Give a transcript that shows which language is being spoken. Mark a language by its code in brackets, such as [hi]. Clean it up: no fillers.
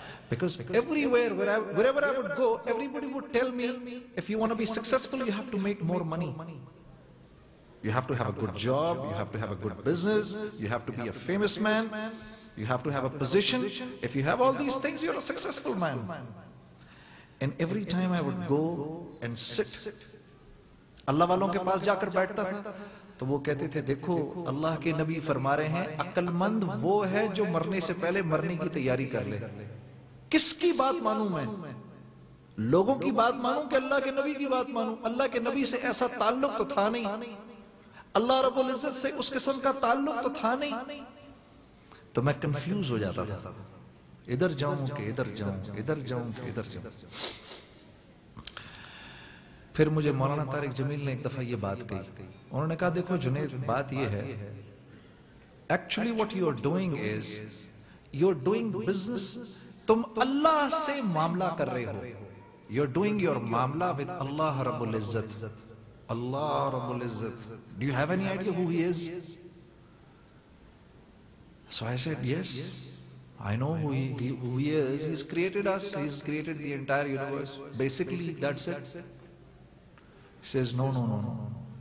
[en] Because everywhere, wherever I would go, everybody would tell me, if you want to be successful, you have to make more money. You have to have a good job. You have to have a good business. You have to be a famous man. You have to have a position. If you have all these things, you're a successful man. And every time I would go and sit, [ur] Allah walon ke paas jaakar baithta tha, تو وہ کہتے تھے دیکھو اللہ کے نبی فرما رہے ہیں عقل مند وہ ہے جو مرنے سے پہلے مرنے کی تیاری کر لے. کس کی بات مانوں میں؟ لوگوں کی بات مانوں کہ اللہ کے نبی کی بات مانوں؟ اللہ کے نبی سے ایسا تعلق تو تھا نہیں، اللہ رب العزت سے اس قسم کا تعلق تو تھا نہیں. تو میں کنفیوز ہو جاتا تھا، ادھر جاؤں کہ ادھر جاؤں، ادھر جاؤں کہ ادھر جاؤں. پھر مجھے مولانا طارق جمیل نے ایک دفعہ یہ بات کہی، انہوں نے کہا دیکھو جنید بات یہ ہے، [en] actually what you are doing is you are doing business, [ur] تم اللہ سے معاملہ کر رہے ہو. [en] You're doing your mamla with Allah Rabbul Izzat. Allah Rabbul Izzat. Do you have any idea who He is? So I said, yes, I know who He is. He's created us. He's created the entire universe. Basically, that's it. He says, no.